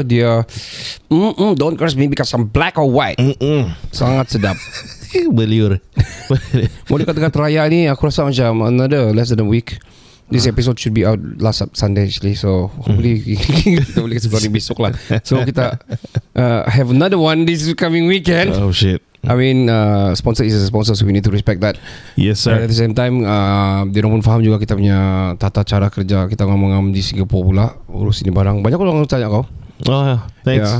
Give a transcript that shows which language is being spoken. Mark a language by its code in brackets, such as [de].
[en] Dia don't curse me because I'm black or white. [ms] Sangat sedap. Beliur. Mau dekat-dekat raya ni, aku rasa macam [en] another less than a week. This episode should be out last Sunday actually. [ms] So hopefully kita boleh kasih berani besok lah. [en] So kita have another one this coming weekend. Oh shit. I mean, sponsor is a sponsor, so we need to respect that. Yes sir. But at the same time, [ms] dia orang pun faham juga kita punya tata cara kerja. Kita ngomong-ngomong di Singapura pula, urus ini barang. Banyak orang tanya kau. [en] Oh yeah, thanks.